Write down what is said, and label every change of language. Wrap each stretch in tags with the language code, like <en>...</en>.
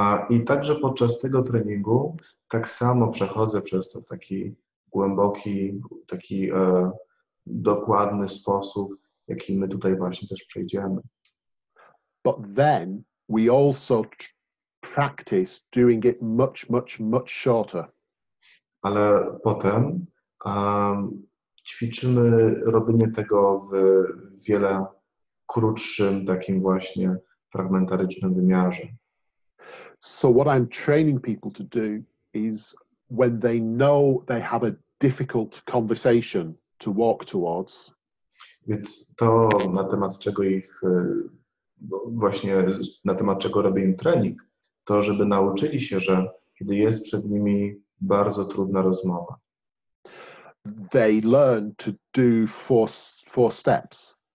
<pl>I także podczas tego treningu tak samo przechodzę przez to w taki głęboki, taki dokładny sposób, jaki my tutaj właśnie też przejdziemy.</pl> <en>But then we also practice doing it much, much, much shorter.</en> <pl>Ale potem ćwiczymy robienie tego w wiele krótszym, takim właśnie fragmentarycznym wymiarze.</pl> <en>So what I'm training people to do is when they know they have a difficult conversation to walk towards.</en> <pl>Więc to, na temat czego ich właśnie, na temat czego robię im trening, to żeby nauczyli się, że kiedy jest przed nimi bardzo trudna rozmowa.</pl> <en>They learn to do four steps.</en>